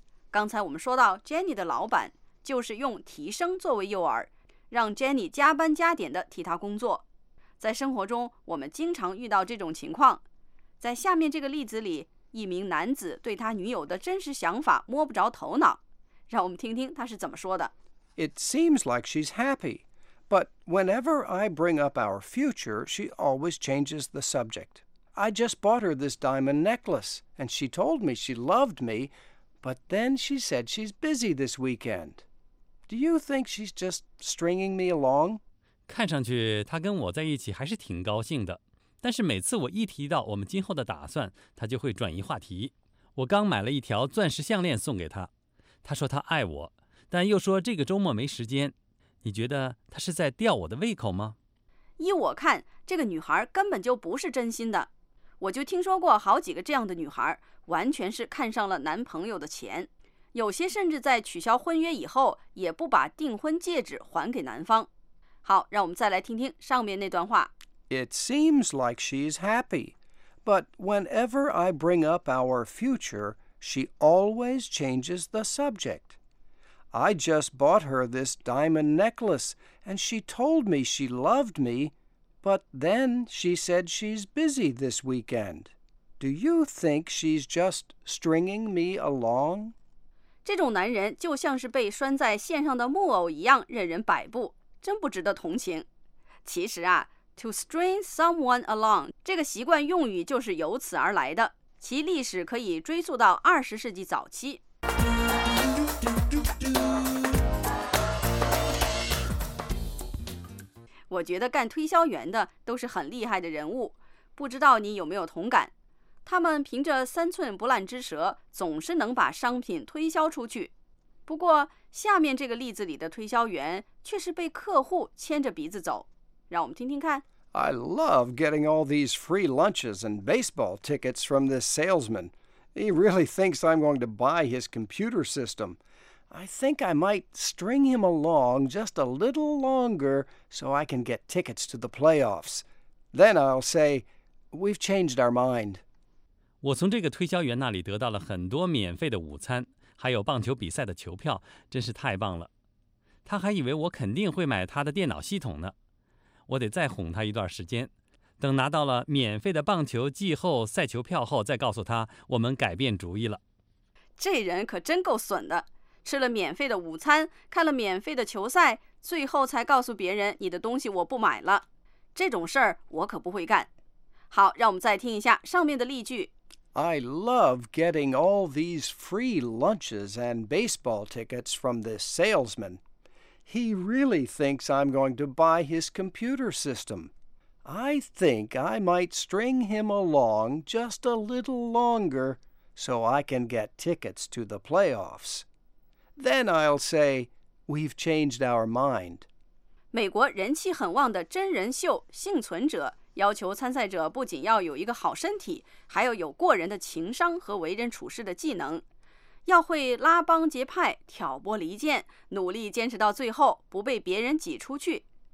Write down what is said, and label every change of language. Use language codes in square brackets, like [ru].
[zh] 刚才我们说到 Jenny 的老板就是用提升作为诱饵，让 Jenny 加班加点的替他工作。在生活中我们经常遇到这种情况。在下面这个例子里，一名男子对他女友的真实想法摸不着头脑，让我们听听他是怎么说的。 [en] It seems like she's happyBut whenever I bring up our future, she always changes the subject. I just bought her this diamond necklace, and she told me she loved me, but then she said she's busy this weekend. Do you think she's just stringing me along? [zh] 看上去她跟我在一起还是挺高兴的，但是每次我一提到我们今后的打算，她就会转移话题。我刚买了一条钻石项链送给她，她说她爱我，但又说这个周末没时间。你觉得她是在吊我的胃口吗？依我看，这个女孩根本就不是真心的。我就听说过好几个这样的女孩，完全是看上了男朋友的钱，有些甚至在取消婚约以后也不把订婚戒指还给男方。好，让我们再来听听上面那段话。 [en] It seems like she's happy, but whenever I bring up our future, she always changes the subject. I just bought her this diamond necklace, and she told me she loved me, but then she said she's busy this weekend. Do you think she's just stringing me along? [zh] 这种男人就像是被拴在线上的木偶一样任人摆布，真不值得同情。其实啊 , [en] to string someone along, [zh] 这个习惯用语就是由此而来的，其历史可以追溯到20世纪早期。我觉得干推销员的都是很厉害的人物，不知道你有没有同感。他们凭着三寸不烂之舌，总是能把商品推销出去。不过，下面这个例子里的推销员却是被客户牵着鼻子走。让我们听听看。 [en] I love getting all these free lunches and baseball tickets from this salesman. He really thinks I'm going to buy his computer system. I think I might string him along just a little longer so I can get tickets to the playoffs. Then I'll say, we've changed our mind. [zh] 我从这个推销员那里得到了很多免费的午餐，还有棒球比赛的球票，真是太棒了。他还以为我肯定会买他的电脑系统呢。我得再哄他一段时间，等拿到了免费的棒球季后赛球票后，再告诉他我们改变主意了。这人可真够损的，吃了免费的午餐，看了免费的球赛，最后才告诉别人你的东西我不买了。这种事儿我可不会干。好，让我们再听一下上面的例句。 [en] I love getting all these free lunches and baseball tickets from this salesman. He really thinks I'm going to buy his computer system. I think I might string him along just a little longer so I can get tickets to the playoffs. Then I'll say, we've changed our mind. [zh] 美国人气很旺的真人秀《幸存者》要求参赛者不仅要有一个好身体，还要有过人的情商和为人处事的技能，要会拉帮结派、挑拨离间，努力坚持到最后，不被别人挤出去。